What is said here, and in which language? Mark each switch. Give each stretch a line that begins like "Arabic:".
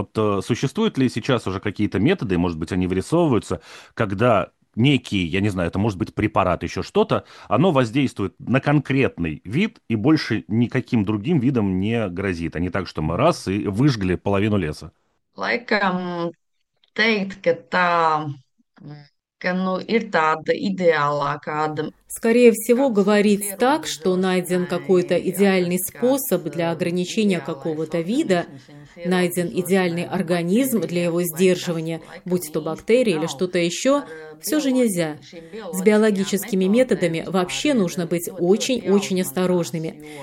Russian: Вот существуют ли сейчас уже какие-то методы, может быть, они вырисовываются, когда некий, я не знаю, это может быть препарат, еще что-то, оно воздействует на конкретный вид и больше никаким другим видом не грозит, а не так, что мы раз и выжгли половину леса.
Latvian: Laikam teikt, ka tā, ka nu ir tāda ideālā kāda
Russian: Скорее всего, говорить так, что найден какой-то идеальный способ для ограничения какого-то вида, найден идеальный организм для его сдерживания, будь то бактерии или что-то еще, все же нельзя. С биологическими методами вообще нужно быть очень-очень осторожными.